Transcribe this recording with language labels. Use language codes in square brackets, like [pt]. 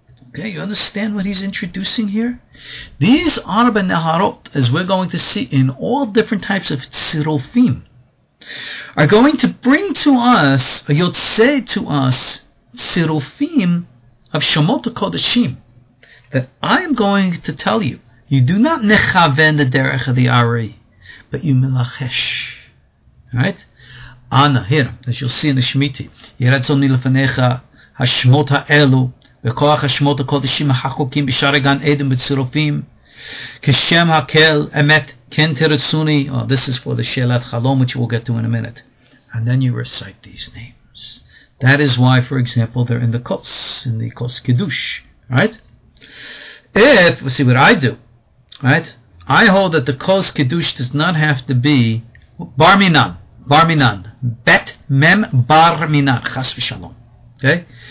[en] Okay, you understand what he's introducing here? These Arba Neharot, as we're going to see in all different types of tzirofim, are going to bring to us, or you'll say to us, tzirofim of Shemot Kodeshim, that I'm going to tell you, you do not nechaven the derech of the Ari, but you milachesh. Right? [he] Ana, [en] here, as you'll see in the [he] Shemiti, Yeratzon Nilfanecha, Hashemot Ha'elu, וכוח השמות הקודשים החקוקים בשער הגן עדן בצירופים, כשם הקל, אמת, כן תרצוני. [en] Oh, this is for the שאלת חלום, which we'll get to in a minute. And then you recite these names. That is why, for example, they're in the Kos, in the Kos Kiddush, right? If, we'll see what I do, right? I hold that the Kos Kiddush does not have to be Bar Minan, Bet Mem Bar Minan, Chas V'Shalom, okay?